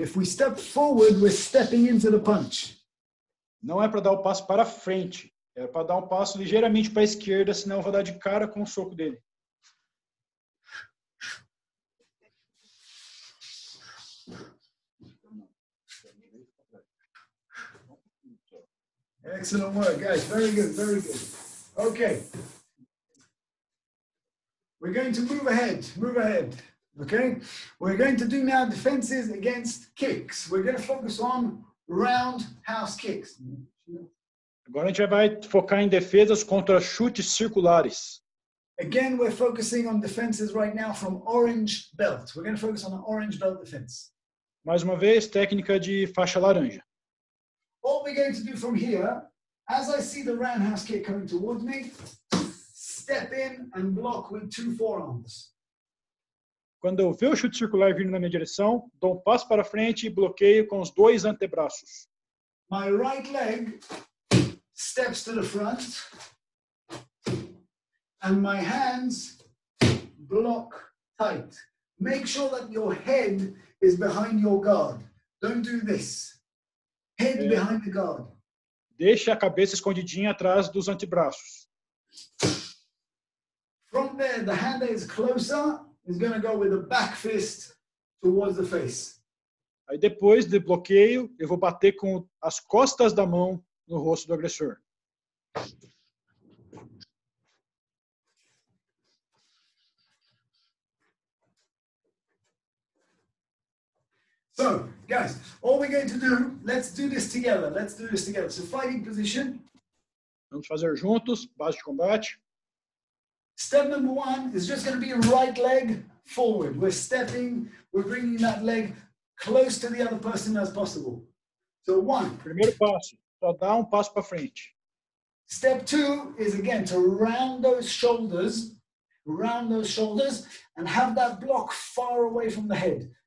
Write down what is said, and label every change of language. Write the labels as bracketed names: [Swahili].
[English] If we step forward, we're stepping into the punch. [Portuguese] Não é para dar o passo para frente. É para dar um passo ligeiramente para a esquerda, senão eu vou dar de cara com o soco dele. [English] Excellent work, guys. Very good, very good. Okay. We're going to move ahead, okay? We're going to do now defenses against kicks. We're going to focus on roundhouse kicks. [Portuguese] Agora a gente vai focar em defesas contra chutes circulares. [English] Again, we're focusing on defenses right now from orange belt. We're going to focus on an orange belt defense. [Portuguese] Mais uma vez, técnica de faixa laranja. [English] All we're going to do from here, as I see the roundhouse kick coming towards me, step in and block with two forearms. [Portuguese] Quando eu ver o chute circular vindo na minha direção, dou um passo para frente e bloqueio com os dois antebraços. [English] My right leg steps to the front and my hands block tight. Make sure that your head is behind your guard. Don't do this. Head behind the guard. [Portuguese] Deixe a cabeça escondidinha atrás dos antebraços. [English] From there, the hand that is closer is going to go with a back fist towards the face. [Portuguese] Aí depois de bloqueio, eu vou bater com as costas da mão no rosto do agressor. [English] So, guys, all we're going to do, let's do this together. Let's do this together. So, fighting position. [Portuguese] Vamos fazer juntos, base de combate. [English] Step number one is just going to be right leg forward. We're stepping, we're bringing that leg close to the other person as possible. So, one. [Portuguese] Primeiro passo, só dá um passo para frente. [English] Step two is again to round those shoulders, and have that block far away from the head.